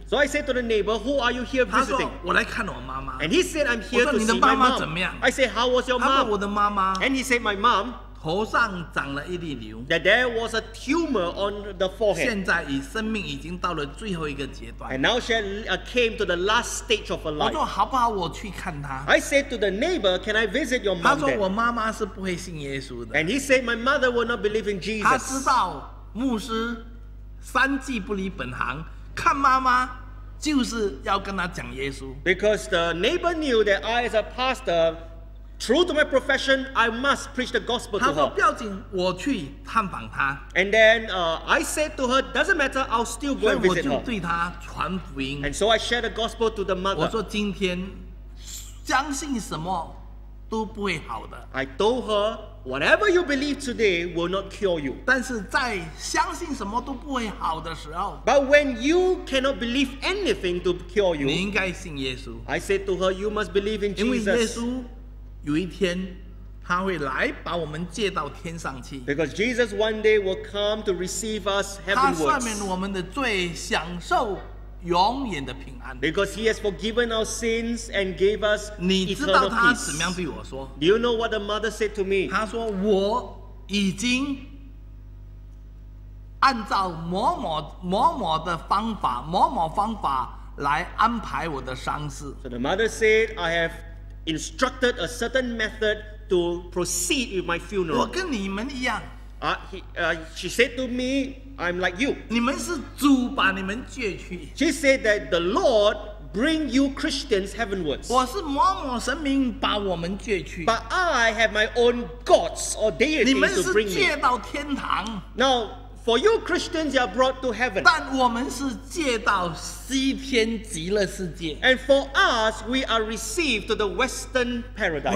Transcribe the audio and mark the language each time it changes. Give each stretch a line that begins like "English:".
English: So I said to the neighbor, who are you here visiting?
Chinese: 他说我来看我妈妈
English: And he said, I'm here to see my mom.
Chinese: 我说你的妈妈怎么样
English: I said, how was your mom?
Chinese: 他说我的妈妈
English: And he said, my mom
Chinese: 头上长了一粒瘤。
English: That there was a tumor on the forehead.
Chinese: 现在已生命已经到了最后一个阶段。
English: And now she came to the last stage of her life.
Chinese: 我说好不好，我去看她。
English: I said to the neighbor, "Can I visit your mom?"
Chinese: 他说我妈妈是不会信耶稣的。
English: And he said, "My mother will not believe in Jesus."
Chinese: 他知道牧师三季不离本行，看妈妈就是要跟她讲耶稣。
English: Because the neighbor knew that I, as a pastor, true to my profession, I must preach the gospel to her.
Chinese: 他说不要紧，我去探访她。
English: And then, I said to her, doesn't matter, I'll still go and visit her.
Chinese: 所以我就对她传福音。
English: And so I shared the gospel to the mother.
Chinese: 我说今天相信什么都不会好的。
English: I told her, whatever you believe today will not cure you.
Chinese: 但是在相信什么都不会好的时候，
English: but when you cannot believe anything to cure you,
Chinese: 你应该信耶稣。
English: I said to her, you must believe in Jesus.
Chinese: 因为耶稣有一天他会来把我们接到天上去。
English: Because Jesus one day will come to receive us heavenwards.
Chinese: 他赦免我们的罪，享受永远的平安。
English: Because he has forgiven our sins and gave us eternal peace.
Chinese: 你知道他怎么样对我说？
English: Do you know what the mother said to me?
Chinese: 他说我已经按照某某方法来安排我的丧事。
English: So the mother said, I have instructed a certain method to proceed with my funeral.
Chinese: 我跟你们一样。
English: She said to me, I'm like you.
Chinese: 你们是主把你们接去。
English: She said that the Lord bring you Christians heavenwards.
Chinese: 我是某某神明把我们接去。
English: But I have my own gods or deities to bring me.
Chinese: 你们是接到天堂。
English: Now, for you Christians, you are brought to heaven.
Chinese: 但我们是接到西天极乐世界。
English: And for us, we are received to the Western paradise.